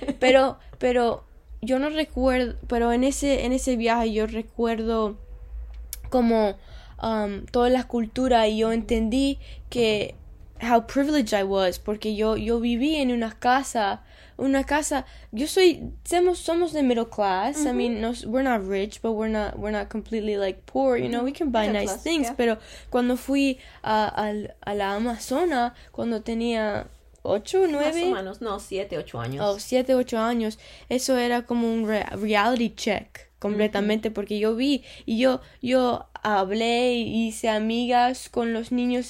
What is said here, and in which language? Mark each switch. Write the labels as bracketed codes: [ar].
[es] Pero yo no recuerdo, pero en ese viaje yo recuerdo como toda la cultura y yo entendí que [en] how privileged I was, [es] porque yo viví en una casa, yo soy, somos de [en] middle class. I mean, we're not rich, but we're not completely like poor, you know, we can buy Middle class, things. [es] Pero cuando fui a la Amazona, cuando tenía 8, Más o 9, menos, no, 7, 8 años. 7, 8 años, eso era como un reality check completamente, porque yo vi y yo hablé y hice amigas con los niños